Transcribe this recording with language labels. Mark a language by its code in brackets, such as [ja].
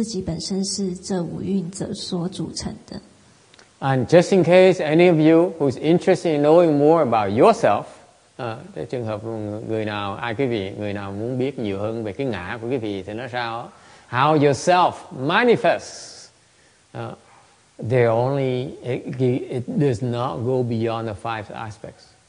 [zh] 要不是佛来到世间呢，我们才会了解说，我们自己本身是这五蕴所组成的。 [en] And just in case any of you who's interested in knowing more about yourself. [vi] Cái trường hợp người nào muốn biết nhiều hơn về cái ngã của quý vị thì nó sao? [en] How yourself manifests? It does not go beyond the five aspects.